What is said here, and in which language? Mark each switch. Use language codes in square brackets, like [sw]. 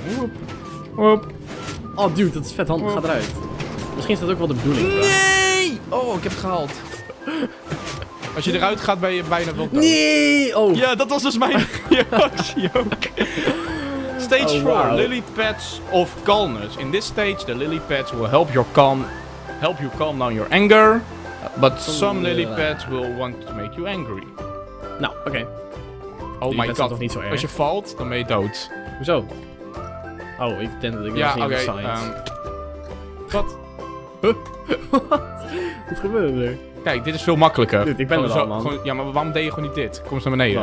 [nl] Woep. Woep. Oh, dude, dat is vet handig. Ga eruit. Misschien is dat ook wel de bedoeling. Nee! Bro. Oh, ik heb het gehaald. Als je eruit gaat, ben je bijna wel dood. Nee! Oh. Ja, dat was dus mijn reactie ook. [en] Stage 4. Lily pads of calmness. In this stage, the lily pads will help your calm. Help you calm down your anger. But some lily pads will want to make you angry. [nl] Nou, oké. Oh my god, niet zo erg. Als je valt, dan ben je dood. Hoezo? Oh, ik denk dat ik ja, misschien okay, [en] science. [nl] Wat? Huh? Wat gebeurde er? Kijk, dit is veel makkelijker. Dude, ik ben gewoon er al, zo, man. Gewoon, ja, maar waarom deed je gewoon niet dit? Kom eens naar beneden.